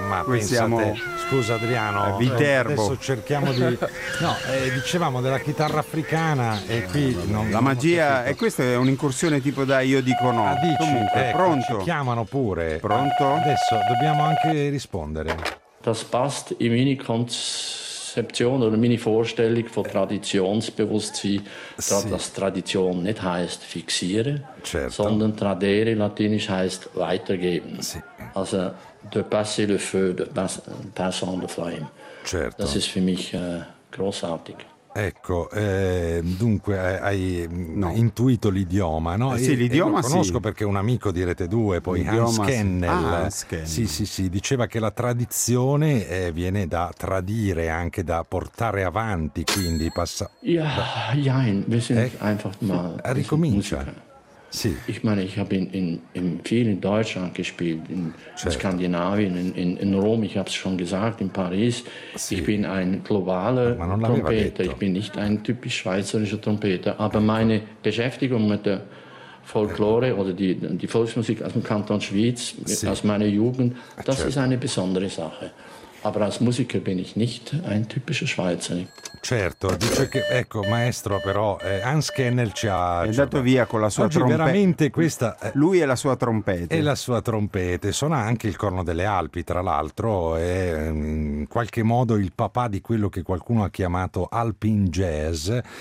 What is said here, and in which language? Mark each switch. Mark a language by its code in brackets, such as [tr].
[it] Ma pensiamo... Scusa Adriano, Viterbo. Adesso cerchiamo di... No, dicevamo della chitarra africana e qui... Non la magia... E questa è un'incursione tipo da Io dico no. Ah, dici, comunque, ecco, pronto. Ci chiamano pure. Pronto? Adesso dobbiamo anche rispondere. [de] Das passt in meine Konzeption oder meine Vorstellung von Traditionsbewusstsein, dass Tradition nicht heißt fixieren, sondern tradere latinisch heißt weitergeben. [fr] Also de passer le feu, de passer [en] on the flame. [it] Certo. [de] Das ist für mich großartig. [it] Ecco, dunque hai intuito l'idioma, no? Sì, l'idioma lo conosco, sì, perché un amico di Rete 2, poi Hans Kennel, sì, diceva che la tradizione viene da tradire, anche da portare avanti, quindi passa. [de] Ja, nein, wir sind einfach mal. [it] Ricomincia. Sì. [de] Ich meine, ich habe in vielen Deutschland gespielt, in Skandinavien, in Rom, ich habe es schon gesagt, in Paris. Sì. Ich bin ein globaler Trompeter, ich bin nicht ein typisch schweizerischer Trompeter, aber meine Beschäftigung mit der Folklore oder die Volksmusik aus dem Kanton Schwyz, aus meiner Jugend, das ist eine besondere Sache. Aber als Musiker bin ich nicht ein typischer Schweizer. [it] Certo, dice che, ecco, maestro, però Hans Kennel ci ha... È andato via con la sua trompeta. Veramente questa... Lui è la sua trompeta. È la sua trompeta. Suona anche il corno delle Alpi, tra l'altro. È in qualche modo il papà di quello che qualcuno ha chiamato Alpine Jazz.